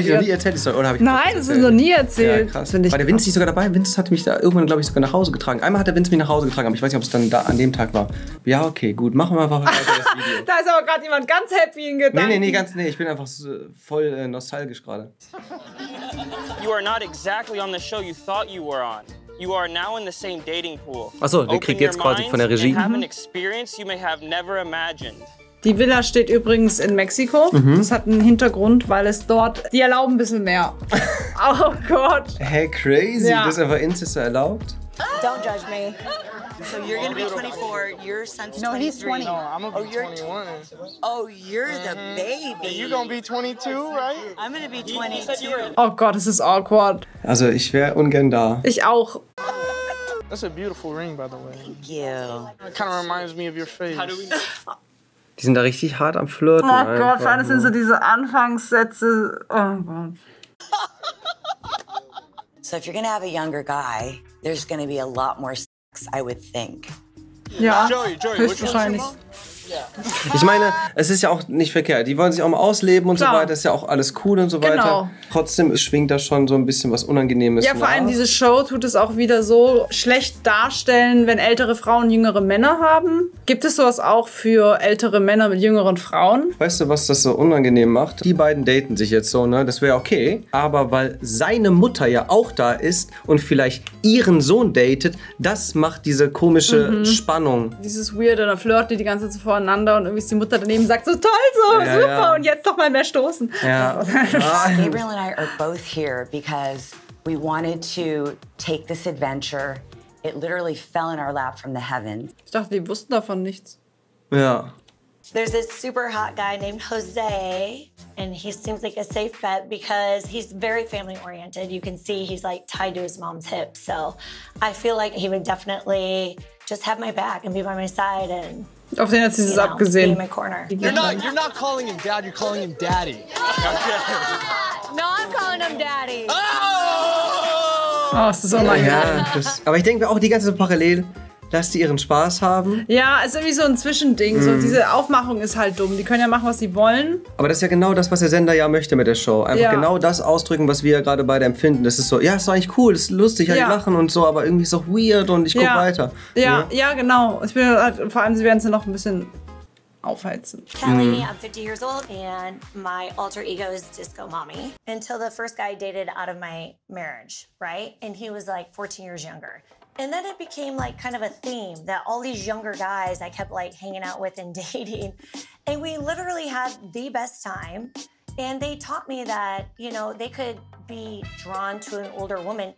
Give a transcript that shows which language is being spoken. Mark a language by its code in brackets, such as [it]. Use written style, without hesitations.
[de] Habe ich noch nie erzählt? Oder ich nein, das ist noch nie erzählt. Ja, krass. Finde ich war der Vince nicht sogar dabei? Vince hat mich da irgendwann, glaube ich, sogar nach Hause getragen. Einmal hat der Vince mich nach Hause getragen, aber ich weiß nicht, ob es dann da an dem Tag war. Ja, okay, gut, machen wir einfach weiter das Video. Da ist aber gerade jemand ganz happy in Gedanken. Nee, ich bin einfach so, voll nostalgisch gerade. [en] You are not exactly on the show you thought you were on. You are now in the same dating pool. [de] Achso, der kriegt jetzt quasi von der Regie. [en] Have an experience you may have never imagined. [de] Die Villa steht übrigens in Mexiko. Mhm. Das hat einen Hintergrund, weil es dort, die erlauben ein bisschen mehr. Oh Gott. [en] Hey, crazy. [de] Ja. Das ist einfach Inzest erlaubt. [en] Don't judge me. So you're gonna be 24, your son's 23. No, he's 20. No, I'm gonna be 21. Oh, you're the baby. You're gonna be 22, right? I'm gonna be 22. [de] Oh Gott, das ist awkward. Also ich wäre ungern da. Ich auch. [en] That's a beautiful ring, by the way. Thank you. It kind of reminds me of your face. How do we... [de] Die sind da richtig hart am Flirten. Oh Gott, vor allem sind so diese Anfangssätze. Oh Gott. [en] So if you're gonna have a younger guy, there's gonna be a lot more sex, I would think. [de] Ja, Joey, höchstwahrscheinlich. Ich meine, es ist ja auch nicht verkehrt. Die wollen sich auch mal ausleben und klar, so weiter. Das ist ja auch alles cool und so weiter. Genau. Trotzdem schwingt da schon so ein bisschen was Unangenehmes. Ja, vor allem diese Show tut es auch wieder so schlecht darstellen, wenn ältere Frauen jüngere Männer haben. Gibt es sowas auch für ältere Männer mit jüngeren Frauen? Weißt du, was das so unangenehm macht? Die beiden daten sich jetzt so, ne? Das wäre okay. Aber weil seine Mutter ja auch da ist und vielleicht ihren Sohn datet, das macht diese komische Spannung. Dieses weirde, da flirten die ganze Zeit voreinander und irgendwie ist die Mutter daneben sagt so, toll, so, ja, super, ja. Und jetzt doch mal mehr stoßen. Ja. [en] Gabriel and I are both here because we wanted to take this adventure. It literally fell in our lap from the heavens. [de] Ich dachte, die wussten davon nichts. Ja. [en] There's this super hot guy named Jose and he seems like a safe bet because he's very family oriented. You can see he's like tied to his mom's hip. So I feel like he would definitely just have my back and be by my side and [de] auf den hat sie es abgesehen. [en] In my corner. You're not calling him dad, you're calling him daddy. No, I'm calling him daddy. [de] Oh, oh, ist das unangenehm. Ja, das, aber ich denke mir auch die ganze Parallel, dass die ihren Spaß haben. Ja, ist irgendwie so ein Zwischending. So, diese Aufmachung ist halt dumm. Die können ja machen, was sie wollen. Aber das ist ja genau das, was der Sender ja möchte mit der Show. Einfach genau das ausdrücken, was wir ja gerade beide empfinden. Das ist so, ja, ist eigentlich cool, ist lustig, halt lachen und so, aber irgendwie ist es auch weird und ich gucke weiter. Ja, ja, ja, genau. Ich bin halt, vor allem, sie werden es ja noch ein bisschen aufheizen. [en] Kelly, I'm 50 years old and my alter ego is Disco Mommy. Until the first guy I dated out of my marriage, right? And he was like 14 years younger. And then it became like kind of a theme that all these younger guys I kept like hanging out with and dating. And we literally had the best time. And they taught me that, you know, they could be drawn to an older woman.